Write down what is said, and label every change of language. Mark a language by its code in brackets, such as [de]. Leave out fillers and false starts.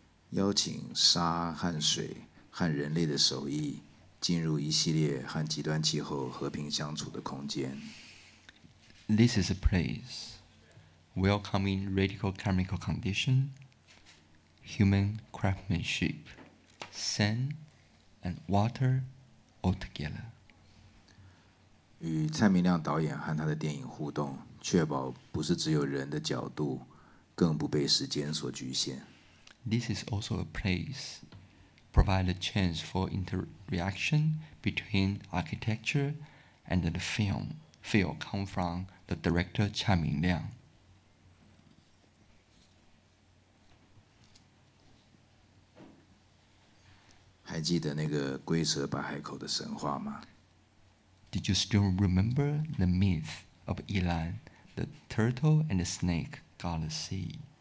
[zh] 邀请沙和水和人类的手艺进入一系列和极端气候和平相处的空间。 [en] This is a place welcoming radical chemical condition, human craftsmanship, sand and water all together. [zh] 与蔡明亮导演和他的电影互动，确保不是只有人的角度，更不被时间所局限。 [en] This is also a place provide a chance for interaction between architecture and the film. Film come from the director Chai Mingliang. [zh] 还记得那个龟蛇白海口的神话吗？ [en] Did you still remember the myth of Yilan, the turtle and the snake got the sea?